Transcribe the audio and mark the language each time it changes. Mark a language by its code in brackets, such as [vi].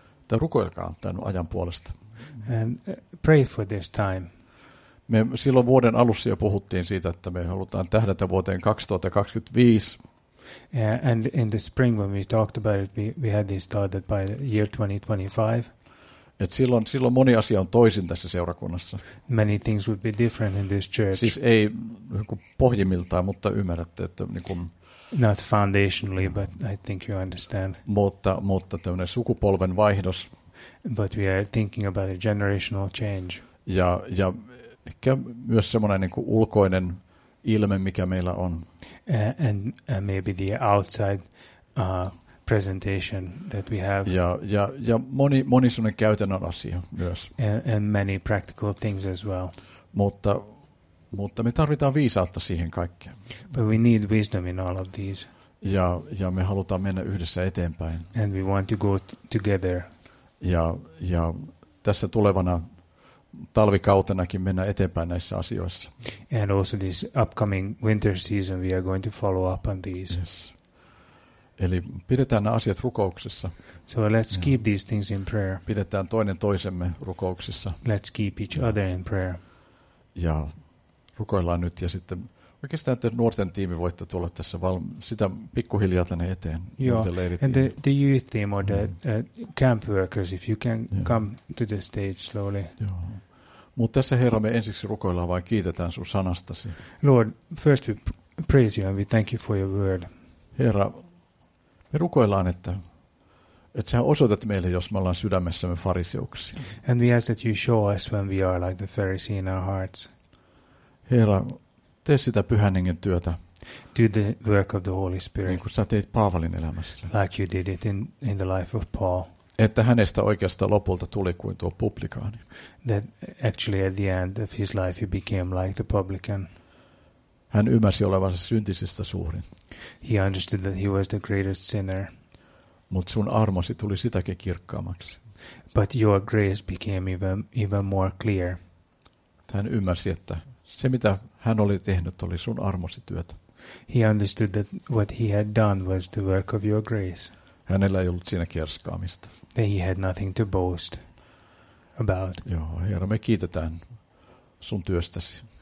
[fi] Rukoilkaa tämän ajan puolesta. [en] And pray for this time. [fi] Me silloin vuoden alussa jo puhuttiin siitä, että me halutaan tähdätä vuoteen 2025. [en] And in the spring when we talked about it, we had this thought that by year 2025. [fi] Et silloin moni asia on toisin tässä seurakunnassa. [en] Many things would be different in this church. [fi] Siis ei pohjimmiltaan, mutta ymmärrätte, että niin kuin [en] not foundationally, but I think you understand. [fi] Mutta tämmöinen sukupolven vaihdos. [en] But we are thinking about a generational change. [fi] Ja ehkä myös semmoinen niin kuin ulkoinen ilme, mikä meillä on. [en] And maybe the outside presentation that we have. [fi] Ja moni semmoinen käytännön asia myös. [en] And many practical things as well. [fi] Mutta me tarvitaan viisautta siihen kaikkeen. [en] But we need wisdom in all of these. [fi] Ja me halutaan mennä yhdessä eteenpäin. [en] And we want to go together. [fi] Ja tässä tulevana talvikautenakin mennä eteenpäin näissä asioissa. [en] And also this upcoming winter season we are going to follow up on these. Yes. [fi] Eli pidetään nämä asiat rukouksessa. [en] So let's keep these things in prayer. [fi] Pidetään toinen toisemme rukouksessa. [en] Let's keep each other in prayer. [fi] Ja rukoillaan nyt ja sitten oikeastaan te nuorten tiimi voitte tulla tässä sitä pikkuhiljaa tänne eteen. [en] Joo, and the youth team or the camp workers, if you can come to the stage slowly. [fi] Mutta tässä Herra, me ensiksi rukoillaan vain kiitetään sun sanastasi. [en] Lord, first we praise you and we thank you for your word. [fi] Herra, me rukoillaan, että sä osoitat meille, jos me ollaan sydämessämme fariseuksia. [en] And we ask that you show us when we are like the Pharisee in our hearts. [fi] Herra, tee sitä Pyhän Hengen työtä. [en] Do the work of the Holy Spirit. [fi] Niin kuin sä teit Paavalin elämässä. [en] Like you did it in the life of Paul. [fi] Että hänestä oikeastaan lopulta tuli kuin tuo publikaani. [en] That actually at the end of his life he became like the publican. [fi] Hän ymmärsi olevansa syntisistä suurin. [en] He understood that he was the greatest sinner. [fi] Mutta sun armosi tuli sitäkin kirkkaammaksi. [en] But your grace became even more clear. [fi] Hän ymmärsi, että se mitä hän oli tehnyt oli sun armosi työtä. [en] He understood that what he had done was the work of your grace. [fi] Hänellä ei ollut siinä kerskaamista. [en] That he had nothing to boast about. [fi] Joo, Herra, me kiitetään sun työstäsi.